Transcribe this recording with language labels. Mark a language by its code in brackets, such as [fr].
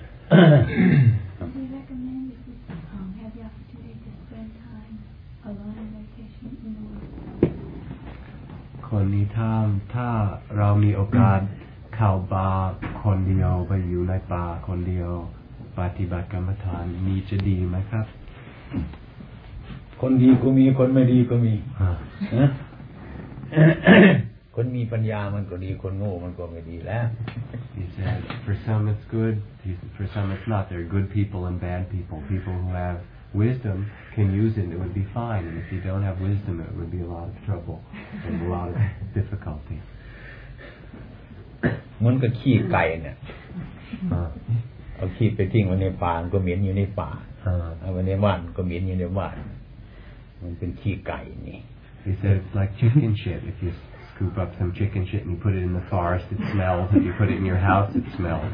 [en] Do you recommend if you have the opportunity to spend time alone in meditation in the world? [th] คนที่ถ้าเรามีโอกาสเข้าป่าคนเดียวไปอยู่ในป่าคนเดียวปฏิบัติกรรมฐานมีจะดีไหมครับ คนดีก็มีคนไม่ดีก็มีฮะ คนมีปัญญามันก็ดีคนโง่มันก็ไม่ดีแล้ว [en] He said for some it's good for some it's not there are good people and bad people people who have wisdom can use it and it would be fine and if you don't have wisdom it would be a lot of trouble and a lot of difficulty [th] มันก็ขี้ไก่เนี่ยเอาขี้ไปทิ้งไว้ในป่าก็เหม็นอยู่ในป่าเอาไว้ในบ้านก็เหม็นอยู่ในบ้านมันเป็นขี้ไก่นี่ [en] He said it's like chicken shit if youScoop up some chicken shit and you put it in the forest, it smells. If you put it in your house, it smells.